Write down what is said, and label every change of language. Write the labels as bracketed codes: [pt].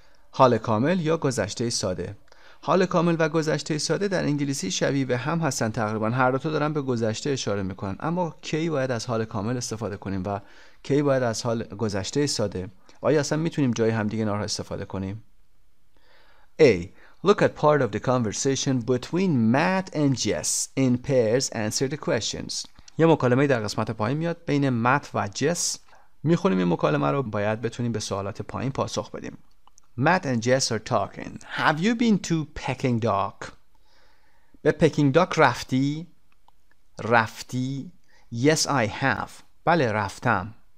[fa] حال کامل یا گذشته ساده. حال کامل و گذشته ساده در انگلیسی شبیه به هم هستن تقریبا. هر دو تا دارن به گذشته اشاره میکنن. اما کی باید از حال کامل استفاده کنیم و کی باید از حال گذشته ساده؟ آیا اصلا میتونیم جای همدیگه نارها استفاده کنیم؟ A. [en] Look at part of the conversation between Matt and Jess in pairs. Answer the questions. [fa] یه مکالمه در قسمت پایین میاد بین مات و جس. میخونیم این مکالمه رو، باید بتونیم به سوالات پایین پاسخ بدیم. [en] Matt and Jess are talking. Have you been to Peking Duck? [fa] به Peking Duck رفتی؟ رفتی؟ [en] Yes, I have. [fa] بله رفتم.